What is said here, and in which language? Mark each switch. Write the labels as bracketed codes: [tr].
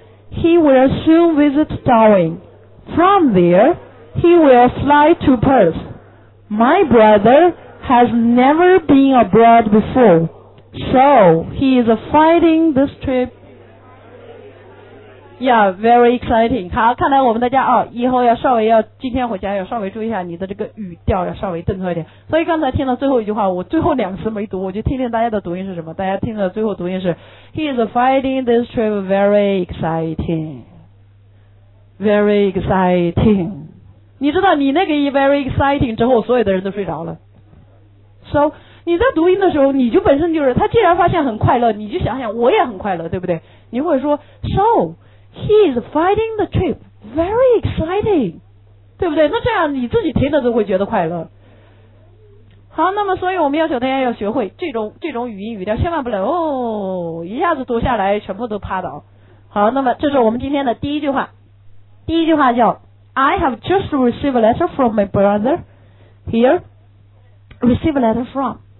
[en] He will soon visit Darwin. From there, he will fly to Perth. My brother has never been abroad before, so he is finding this trip. Yeah, very exciting. [zh] 好，看来我们大家啊、哦，以后要稍微要今天回家要稍微注意一下你的这个语调，要稍微顿挫一点。所以刚才听了最后一句话，我最后两个词没读，我就听听大家的读音是什么。大家听了最后读音是 ， [en] He is finding this trip very exciting. Very exciting， [zh] 你知道你那个 very exciting 之后，所有的人都睡着了。 So 你在读音的时候，你就本身就是，他既然发现很快乐，你就想想我也很快乐，对不对？你会说 [en] So he is finding the trip very exciting， [zh] 对不对？那这样你自己听的都会觉得快乐。好，那么所以我们要求大家要学会这种语音语调，千万不能哦一下子读下来全部都趴倒。好，那么这是我们今天的第一句话。第一句话叫 [en] I have just received a letter from my brother here. Receive a letter from.